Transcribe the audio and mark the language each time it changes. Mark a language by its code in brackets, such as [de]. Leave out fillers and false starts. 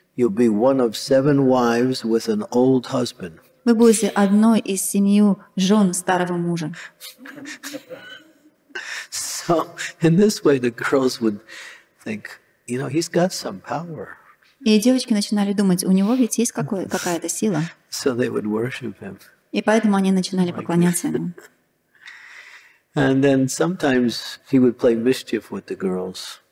[en] You'll be one of 7 wives with an old husband. [ru] Вы будете одной из 7 жен старого мужа. [en] So, in this way, the girls would think, you know, he's got some power. [ru] И девочки начинали думать, у него ведь есть какая-то сила. [en] So they would worship him. [ru] И поэтому они начинали [en] like [ru] поклоняться ему. [en] And then sometimes he would play mischief with the girls.